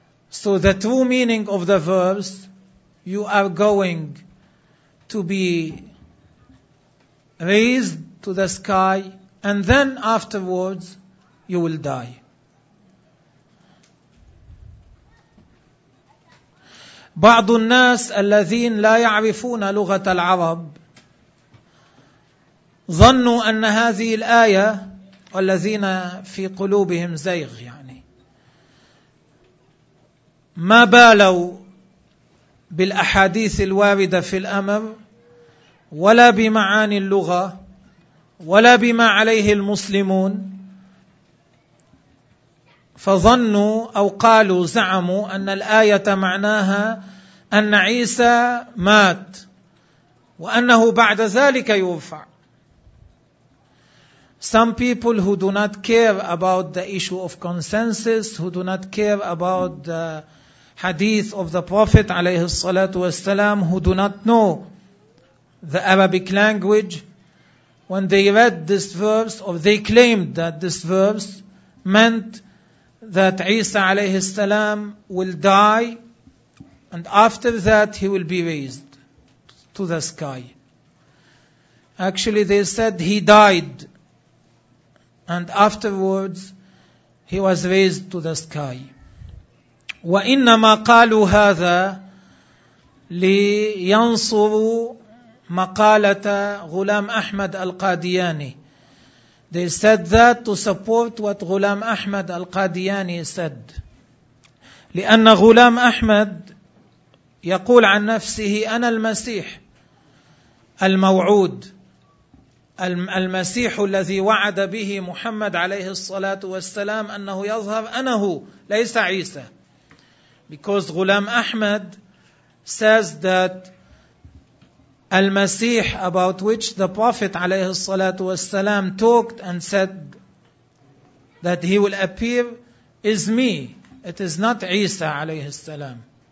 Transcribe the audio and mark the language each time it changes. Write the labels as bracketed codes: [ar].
[en] So the true meaning of the verse, you are going to be raised to the sky, and then afterwards you will die. [ar] بعض الناس الذين لا يعرفون لغة العرب ظنوا أن هذه الآية والذين في قلوبهم زيغ يعني ما بالوا بالأحاديث الواردة في الأمر ولا بمعاني اللغة ولا بما عليه المسلمون فظنوا أو قالوا زعموا أن الآية معناها أن عيسى مات وأنه بعد ذلك يرفع. [en] Some people who do not care about the issue of consensus, who do not care about the hadith of the Prophet [ar] عليه الصلاة والسلام, [en] who do not know the Arabic language, when they read this verse, or they claimed that this verse meant that Isa عليه السلام will die, and after that he will be raised to the sky. Actually they said he died, and afterwards he was raised to the sky. [ar] وَإِنَّمَا قَالُوا هَذَا لِيَنْصُرُوا مَقَالَةَ غُلَامْ أَحْمَدْ الْقَادِيَانِ. [en] They said that to support what Ghulam Ahmad الْقَادِيَانِ said. [ar] لِأَنَّ غُلَامْ أَحْمَدْ يَقُولْ عَنْ نَفْسِهِ أَنَا الْمَسِيحِ الْمَوْعُودِ المسيح الذي وعد به محمد عليه الصلاة والسلام أنه يظهر أنه ليس عيسى. [en] Because Ghulam Ahmad says that المسيح about which the Prophet [ar] عليه الصلاة والسلام [en] talked and said that he will appear is me. It is not عيسى [ar] عليه السلام.